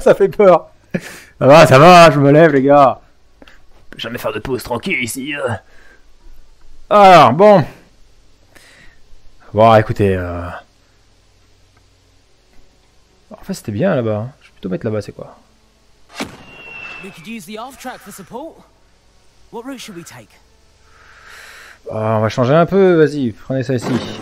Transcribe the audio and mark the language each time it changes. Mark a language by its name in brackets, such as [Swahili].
[French] Ça fait peur. Ça va, je me lève les gars. Je peux jamais faire de pause tranquille ici. Alors, bon. Bon, écoutez. En fait, c'était bien là-bas. Je vais plutôt mettre là-bas, c'est quoi? [English] We could use the off track for support. What route should we take? [French] Oh, on va changer un peu, vas-y, prenez ça ici.